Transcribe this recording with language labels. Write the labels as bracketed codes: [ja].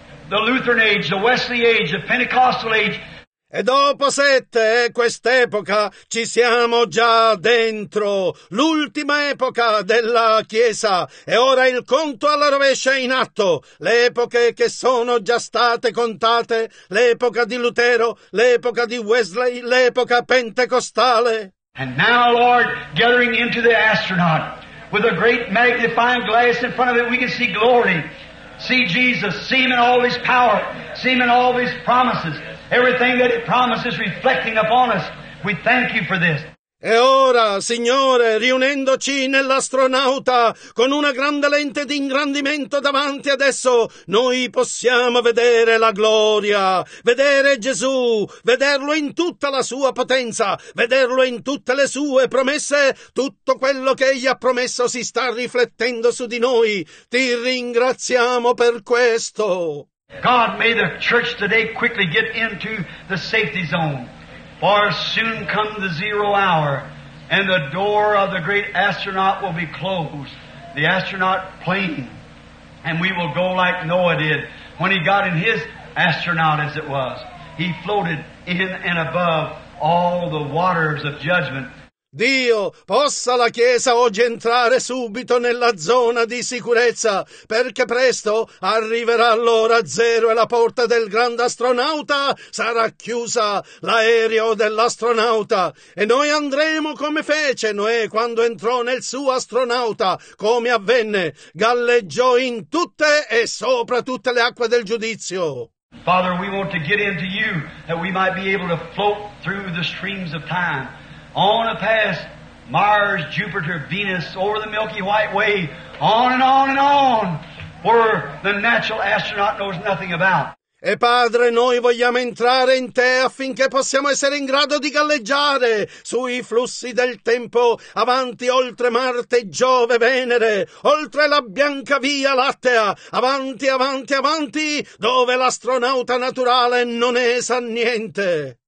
[en] The Lutheran age, the Wesley age, the Pentecostal age. [it] E dopo sette, quest'epoca, ci siamo già dentro. L'ultima epoca della Chiesa. E ora il conto alla rovescia è in atto. Le epoche che sono già state contate. L'epoca di Lutero, l'epoca di Wesley, l'epoca pentecostale. [en] And now, Lord, gathering into the astronaut. With a great magnifying glass in front of it, we can see glory, see Jesus, see Him in all His power, see Him in all His promises, everything that He promises reflecting upon us. We thank You for this. [it] E ora, Signore, riunendoci nell'astronauta, con una grande lente di ingrandimento davanti adesso, noi possiamo vedere la gloria, vedere Gesù, vederlo in tutta la sua potenza, vederlo in tutte le sue promesse, tutto quello che Egli ha promesso si sta riflettendo su di noi. Ti ringraziamo per questo. [en] God, may the church today quickly get into the safety zone. For soon come the zero hour, and the door of the great astronaut will be closed, the astronaut plane, and we will go like Noah did when he got in his astronaut, as it was. He floated in and above all the waters of judgment. [it] Dio, possa la Chiesa oggi entrare subito nella zona di sicurezza, perché presto arriverà l'ora zero e la porta del grande astronauta sarà chiusa, l'aereo dell'astronauta, e noi andremo come fece Noè quando entrò nel suo astronauta, come avvenne, galleggiò in tutte e sopra tutte le acque del giudizio. [en] Father, we want to get into you that we might be able to float through the streams of time. On a pass, Mars, Jupiter, Venus, over the Milky White Way, on and on and on, where the natural astronaut knows nothing about. [it] E Padre, noi vogliamo entrare in Te affinché possiamo essere in grado di galleggiare sui flussi del tempo, avanti oltre Marte, Giove, Venere, oltre la bianca via lattea, avanti, avanti, avanti, dove l'astronauta naturale non è sa niente.